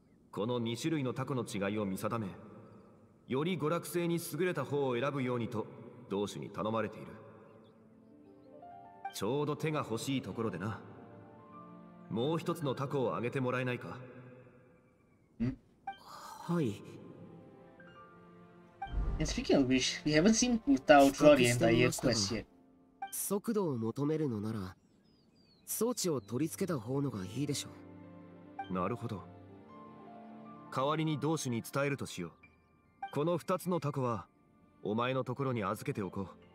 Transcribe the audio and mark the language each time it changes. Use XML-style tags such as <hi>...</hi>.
<ja>この2種類のタコの違いを見定め、より娯楽性に優れた方を選ぶようにと同種に頼まれている。ちょうど手が欲しいところでな。もう一つのタコをあげてもらえないか？はい。</ja> <en>And speaking of which, we haven't seen Utao throughout the entire quest yet.</en> <ja>速度を求めるのなら、装置を取り付けた方のがいいでしょう。なるほど。代わりに同種に伝えるとしよう。この二つのタコは、お前のところに預けておこう。</ja>